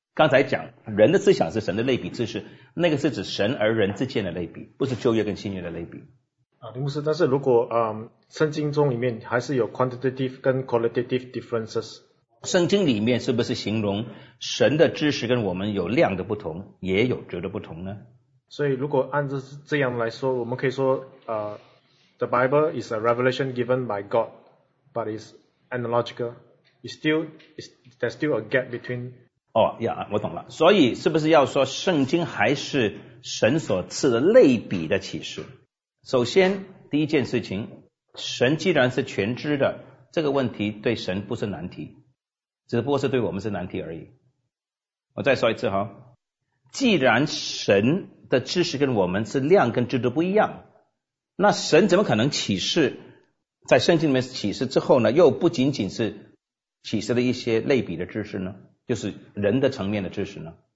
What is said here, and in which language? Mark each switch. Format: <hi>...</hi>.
<zh>刚才讲人的思想是神的类比知识，那个是指神而人之间的类比，不是旧约跟新约的类比。林牧师，但是如果圣经中里面还是有 quantitative 跟 qualitative differences。圣经里面是不是形容神的知识跟我们有量的不同，也有质的不同呢？所以如果按照这样来说，我们可以说</zh> <en>The Bible is a revelation given by God, but it's analogical. There's still a gap between...</en> <zh>哦呀，我懂了。所以是不是要说圣经还是神所赐的类比的启示？首先，第一件事情，神既然是全知的，这个问题对神不是难题。只不过是对我们是难题而已。我再说一次哈，既然神的知识跟我们是量跟质都不一样，那神怎么可能启示，在圣经里面启示之后呢，又不仅仅是启示了一些类比的知识呢，就是人的层面的知识呢？</zh>